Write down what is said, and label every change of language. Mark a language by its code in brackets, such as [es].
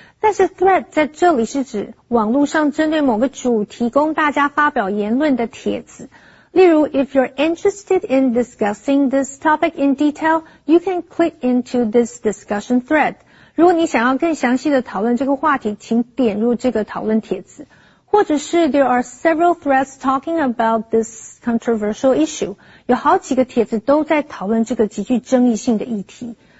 [zh] 但是 thread 在这里是指网络上针对某个主题供大家发表言论的帖子。例如 [en] if you're interested in discussing this topic in detail, you can click into this discussion thread. [zh] 如果你想要更详细的讨论这个话题，请点入这个讨论帖子。或者是 [en] there are several threads talking about this controversial issue. [zh] 有好几个帖子都在讨论这个极具争议性的议题。